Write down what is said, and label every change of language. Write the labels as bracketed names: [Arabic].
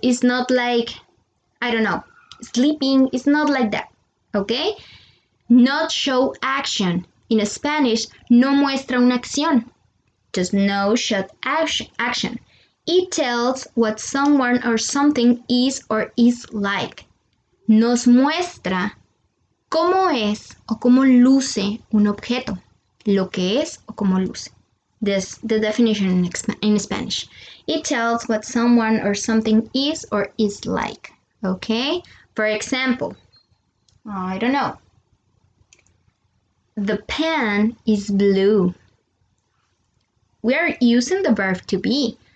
[English] It's not like, I don't know, sleeping. It's not like that. Okay? Not show action. In Spanish, [Spanish] no muestra una acción. [English] Just no show action. It tells what someone or something is or is like. [Spanish] Nos muestra cómo es o cómo luce un objeto. Lo que es o cómo luce. [English] This the definition in Spanish. It tells what someone or something is or is like. Okay? For example, I don't know. The pen is blue. We are using the verb to be.